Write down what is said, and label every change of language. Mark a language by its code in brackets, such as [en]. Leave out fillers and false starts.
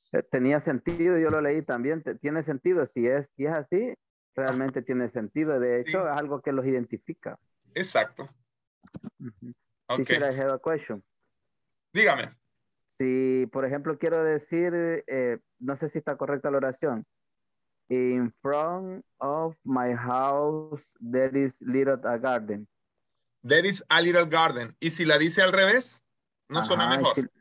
[es] Tenía sentido, yo lo leí también, tiene sentido. Si es así, realmente tiene sentido. De hecho, es algo que los identifica. Exacto. [en] Okay. I have a question. [es] Dígame. Si, por ejemplo, quiero decir, no sé si está correcta la oración. [en] In front of my house, there is little a garden. There is a little garden. [es] Y si la dice al revés, no suena mejor.